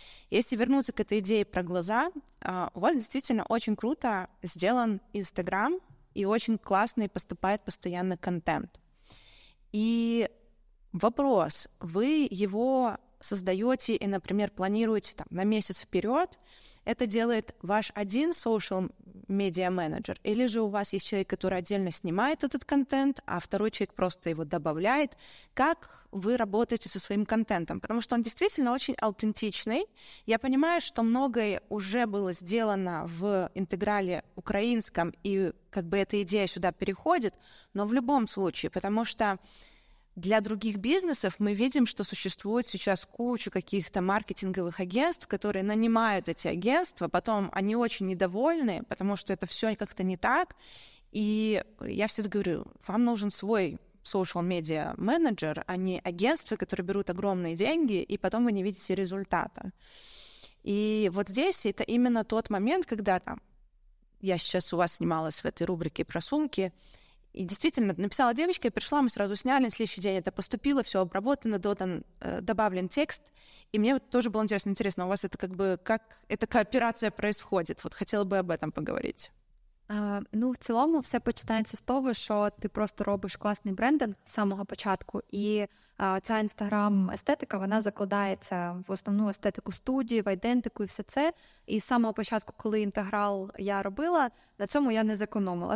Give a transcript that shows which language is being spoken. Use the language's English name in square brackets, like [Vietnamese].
[Russian] Если вернуться к этой идее про глаза, у вас действительно очень круто сделан Инстаграм и очень классный поступает постоянно контент. И вопрос, вы его создаете и, например, планируете там, на месяц вперед? Это делает ваш один social media manager? Или же у вас есть человек, который отдельно снимает этот контент, а второй человек просто его добавляет? Как вы работаете со своим контентом? Потому что он действительно очень аутентичный. Я понимаю, что многое уже было сделано в интеграле украинском, и как бы эта идея сюда переходит, но в любом случае, потому что для других бизнесов мы видим, что существует сейчас куча каких-то маркетинговых агентств, которые нанимают эти агентства, потом они очень недовольны, потому что это все как-то не так. И я всегда говорю, вам нужен свой social media менеджер, а не агентство, которое берут огромные деньги, и потом вы не видите результата. И вот здесь это именно тот момент, когда там, я сейчас у вас снималась в этой рубрике про сумки, и действительно, написала девочка, я пришла, мы сразу сняли, на следующий день это поступило, все обработано, додан, добавлен текст. И мне вот тоже было интересно, интересно, у вас это как бы, как эта кооперация происходит? Вот хотела бы об этом поговорить. [Ukrainian] Ну, в цілому все починається з того, що ти просто робиш класний брендинг з самого початку, і ця інстаграм-естетика, вона закладається в основну естетику студії, в айдентику і все це. І з самого початку, коли інтеграл я робила, на цьому я не зекономила.